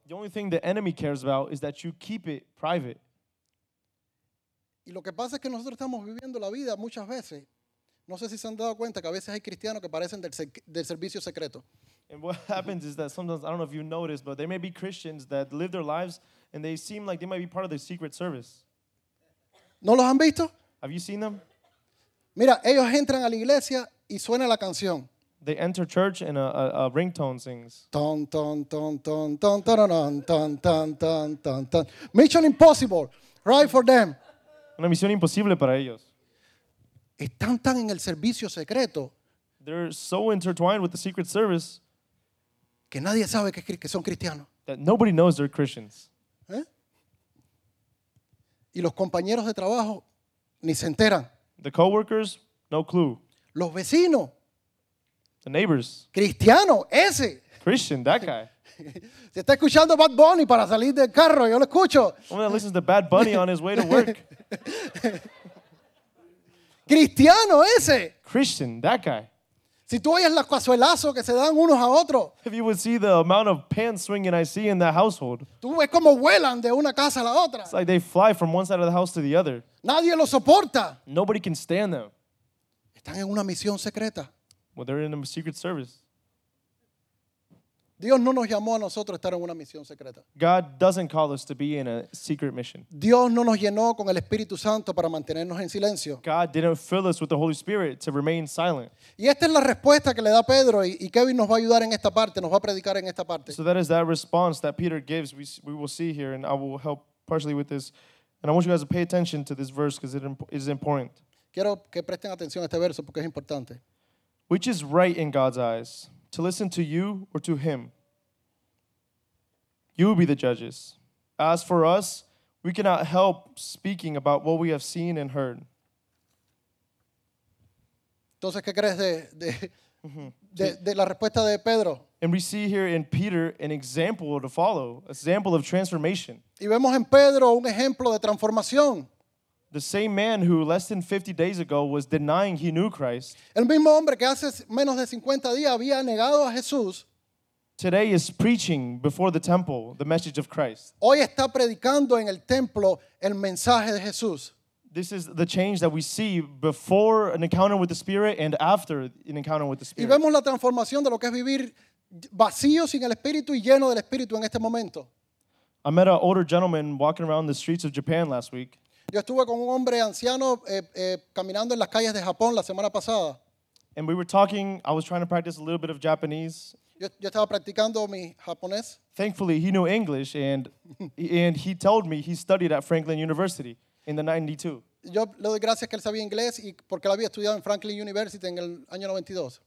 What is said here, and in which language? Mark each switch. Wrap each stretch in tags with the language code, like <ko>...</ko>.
<en>The only thing the enemy cares about is that you keep it private.</en> <es>Y lo que pasa es que nosotros estamos viviendo la vida muchas veces. No sé si se han dado cuenta que a veces hay cristianos que parecen del servicio secreto.</es> <en>And what happens is that sometimes, I don't know if you noticed, but there may be Christians that live their lives and they seem like they might be part of the secret service.</en> <es>¿No los han visto?</es> <en>Have you seen them?</en> <es>Mira, ellos entran a la iglesia y suena la canción.</es> <en>They enter church and a ringtone sings. Ton, ton, ton, ton, ton, ton, ton, ton, ton, ton, ton, ton, ton. Mission Impossible, right for them.</en> <es>Una misión imposible para ellos. Están tan en el servicio secreto.</es> <en>They're so intertwined with the secret service.</en> <es>Que nadie sabe que son cristianos.</es> <en>That nobody knows they're Christians.</en> <es>Y los compañeros de trabajo ni se enteran.</es> <en>The coworkers, no clue.</en> <es>Los vecinos.</es> <en>The neighbors.</en> <es>Cristiano, ese.</es> <en>Christian, that guy.</en> <es>Se está escuchando Bad Bunny para salir del carro, yo lo escucho.</es> <en>Someone that listens to Bad Bunny on his way to work.</en> <es>Cristiano, ese.</es> <en>Christian, that guy.</en> <es>Si tú oyes los cazuelazos que se dan unos a otros.</es> <en>If you would see the amount of pan swinging I see in that household.</en> <es>Tú ves cómo vuelan de una casa a la otra.</es> <en>It's like they fly from one side of the house to the other.</en> <es>Nadie lo soporta.</es> <en>Nobody can stand them.</en> <es>Están en una misión secreta.</es> <en>Well, they're in a secret service.</en> <es>Dios no nos llamó a nosotros a estar en una misión secreta.</es> <en>God doesn't call us to be in a secret mission.</en> <es>Dios no nos llenó con el Espíritu Santo para mantenernos en silencio.</es> <en>God didn't fill us with the Holy Spirit to remain silent.</en> <es>Y esta es la respuesta que le da Pedro y Kevin nos va a ayudar en esta parte, nos va a predicar en esta parte.</es> <en>So that is that response that Peter gives. We will see here and I will help partially with this. And I want you guys to pay attention to this verse because it is important.</en> <es>Quiero que presten atención a este verso porque es importante.</es> <en>Which is right in God's eyes? To listen to you or to him. You will be the judges. As for us, we cannot help speaking about what we have seen and heard.</en> <es>Entonces, ¿qué crees de la respuesta de Pedro?</es> <en>And we see here in Peter an example to follow, an example of transformation.</en> <es>Y vemos en Pedro un ejemplo de transformación.</es> <en>The same man who less than 50 days ago was denying he knew Christ.</en> <es>El mismo hombre que hace menos de 50 días había negado a Jesús.</es> <en>Today is preaching before the temple the message of Christ.</en> <es>Hoy está predicando en el templo el mensaje de Jesús.</es> <en>This is the change that we see before an encounter with the Spirit and after an encounter with the Spirit.</en> <es>Y vemos la transformación de lo que es vivir vacío sin el Espíritu y lleno del Espíritu en este momento.</es> <en>I met an older gentleman walking around the streets of Japan last week.</en> <es>Yo estuve con un hombre anciano caminando en las calles de Japón la semana pasada.</es> <en>And we were talking, I was trying to practice a little bit of Japanese.</en> <es>Yo estaba practicando mi japonés.</es> <en>Thankfully, he knew English and he told me he studied at Franklin University in the 92.</en> <es>Yo le doy gracias que él sabía inglés y porque él había estudiado en Franklin University en el año 92.</es>